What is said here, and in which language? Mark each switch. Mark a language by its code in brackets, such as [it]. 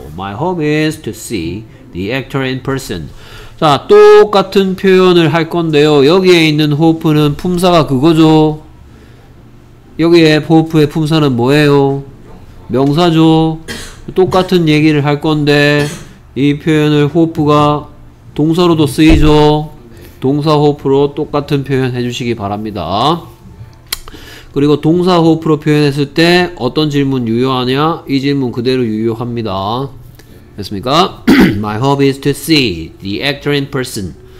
[en] My hope is to see the actor in person. [ko] 자, 똑같은 표현을 할 건데요. 여기에 있는 hope는 품사가 그거죠. 여기에 hope의 품사는 뭐예요? 명사죠. 똑같은 얘기를 할 건데 이 표현을 호프가 동사로도 쓰이죠. 동사 호프로 똑같은 표현 해주시기 바랍니다. 그리고 동사 호프로 표현했을 때 어떤 질문 유효하냐? 이 질문 그대로 유효합니다. 됐습니까? [en] My hope is to see the actor in person.